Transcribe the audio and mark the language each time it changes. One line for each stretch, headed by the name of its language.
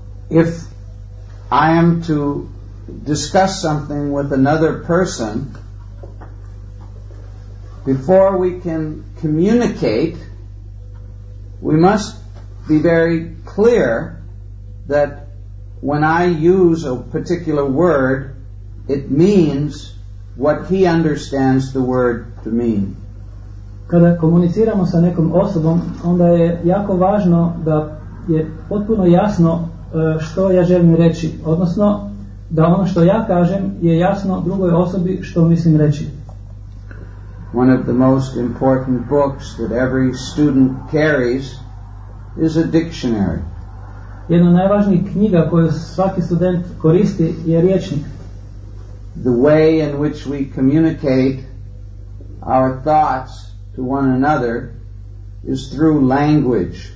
English: If I am to discuss something with another person, before we can communicate, we must be very clear that when I use a particular word, it means what he understands the word to mean.
Croatian: Kada komuniciramo sa nekom osobom, onda je jako važno da je potpuno jasno što ja želim reći, odnosno da ono što ja kažem je jasno drugoj osobi što mislim reći.
English: One of the most important books that every student carries is a dictionary.
Croatian: Jedna od najvažnijih knjiga koju svaki student koristi je rječnik.
English: The way in which we communicate our thoughts to one another is through language.